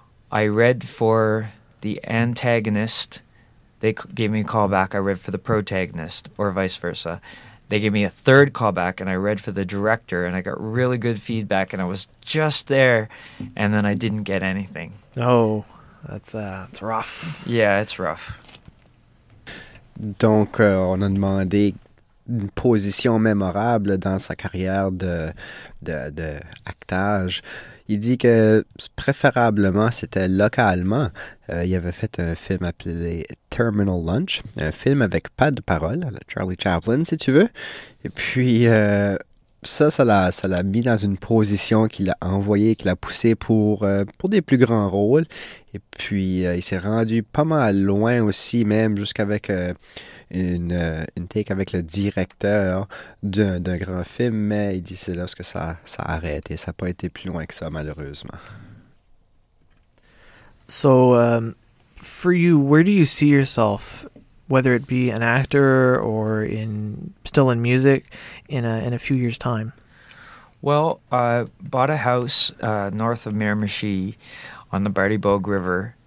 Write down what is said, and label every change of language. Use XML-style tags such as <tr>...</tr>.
<en>I read for the antagonist. They gave me a callback. I read for the protagonist, or vice versa. They gave me a third callback, and I read for the director, and I got really good feedback, and I was just there, and then I didn't get anything. Oh, that's rough. Yeah, it's rough.</en> <fr>Donc, on a demandé une position mémorable dans sa carrière de actage. Il dit que préférablement, c'était localement. Il avait fait un film appelé Terminal Lunch, un film avec pas de parole, Charlie Chaplin, si tu veux. Et puis, ça l'a mis dans une position qui l'a envoyé, qui l'a poussé pour des plus grands rôles. Et puis, il s'est rendu pas mal loin aussi, même jusqu'avec une take avec le directeur d'un grand film. Mais il dit c'est lorsque ça a arrêté. Ça n'a pas été plus loin que ça, malheureusement.</fr> <en>So, for you, where do you see yourself, whether it be an actor or in still in music, in a few years' time? Well, I bought a house north of Miramichi on the Bartibogue River.</en>